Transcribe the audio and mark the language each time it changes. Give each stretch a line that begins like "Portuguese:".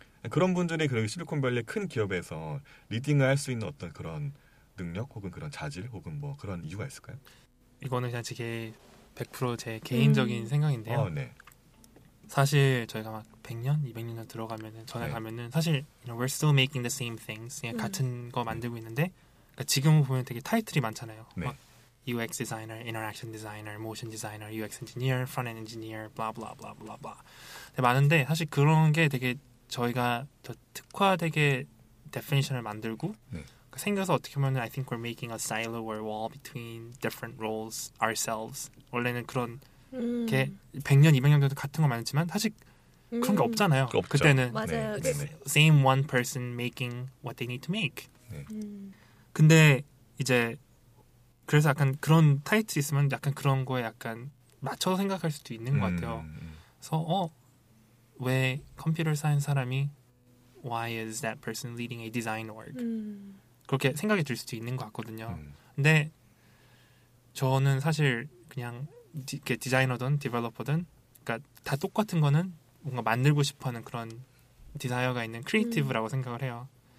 Korean: 그런 분들이 그리고 실리콘밸리 큰 기업에서 리딩을 할 수 있는 어떤 그런 능력 혹은 그런 자질 혹은 뭐 그런 이유가 있을까요? 이거는 그냥 되게 100% 제 개인적인 생각인데요. 네. 사실 저희가 막 100년, 200년 들어가면은 전에 네. 가면은 사실
English: you know, we're still making the same things.
Korean: 그냥 같은 거 만들고 있는데 그러니까 지금 보면 되게 타이틀이 많잖아요. 네.
English: 막 UX designer, interaction designer, motion designer, UX engineer, front end engineer, blah blah blah blah blah.
Korean: 되게 많은데 사실 그런 게 되게 저희가 더 특화되게 definition을 만들고 네. 생겨서 어떻게 보면은
English: I think we're making a silo or wall between different roles ourselves.
Korean: 원래는 그런 게 100년, 200년 정도 같은 거 많았지만 사실 그런 게 없잖아요. 없죠. 그때는 맞아요. 네. 네.
English: same one person making what they need to make.
Korean: 네. 근데 이제 그래서 약간 그런 타이틀 있으면 약간 그런 거에 약간 맞춰서 생각할 수도 있는 것 같아요. 그래서 왜 컴퓨터 사인 사람이
English: why is that person leading a design org?
Korean: 그렇게 생각이 들 수도 있는 것 같거든요. 근데 저는 사실 그냥 디자이너든 디벨로퍼든 그러니까 다 똑같은 거는 뭔가 만들고 싶어하는 그런 디자이어가 있는 크리에이티브라고 생각을 해요.